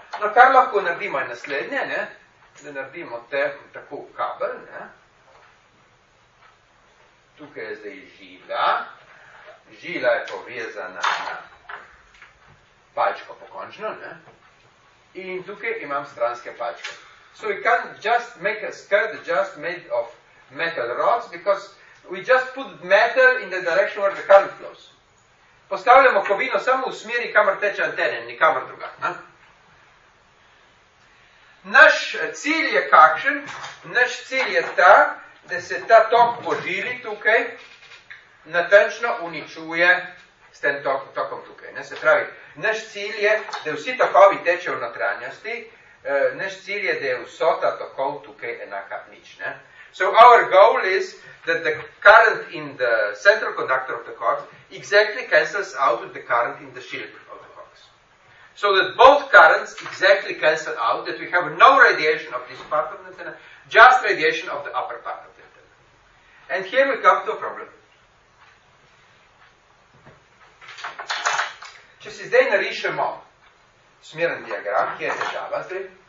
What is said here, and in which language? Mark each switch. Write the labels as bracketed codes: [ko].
[sl] No, kar lahko naredimo je naslednje, ne? Da naredimo te tako kabel, ne? Tukaj je zdaj žila. Žila je povezana na palčko pokončno, ne? In tukaj imam stranske palčke. [en] So we can't just make a skirt just made of metal rods, because we just put metal in the direction where the current flows. [sl] Postavljamo kovino samo v smeri, kamor teče antene, nikamor druga. Ne? Naš cilj je kakšen? Naš cilj je ta, da se ta tok požili tukaj, natančno uničuje s tem tokom tukaj. Ne? Se pravi, naš cilj je, da vsi tokovi teče v notranjosti, naš cilj je, da je vsota tokov tukaj enaka nič. Ne? [en] So our goal is that the current in the central conductor of the coax exactly cancels out the current in the shield of the coax. So that both currents exactly cancel out, that we have no radiation of this part of the antenna, just radiation of the upper part of the antenna. And here we come to a problem. [sl] Če si zdaj narišemo smeren diagram, kje je težava zdaj?